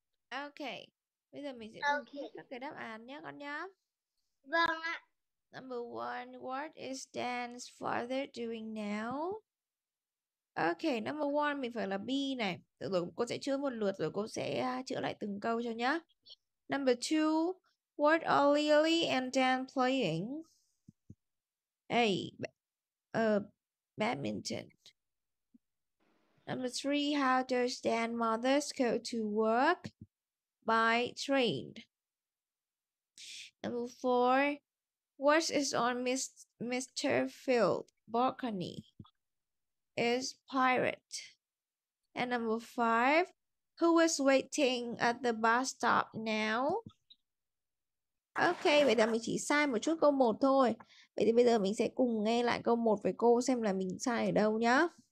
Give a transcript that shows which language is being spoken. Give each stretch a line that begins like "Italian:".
Vietnamese: Ok, bây giờ mình sẽ cho cái đáp án nhé con nhé. Vâng ạ.
English: Number one, what is Dan's father doing now? Ok, number one
Vietnamese: mình phải là B này. Được rồi, cô sẽ chữa một lượt rồi cô sẽ chữa lại từng câu cho nhá.
English: Number two, what are Lily and Dan playing? A, badminton. Number three, how does Dan's mother go to work? By train. Number four, what is on Mr. Field's balcony? Is pirate. And number five, who is waiting at the bus stop now?
Vietnamese: Okay, vậy là mình chỉ sai một chút câu 1 thôi. Vậy thì bây giờ mình sẽ cùng nghe lại câu 1 với cô xem là mình sai ở đâu nhá.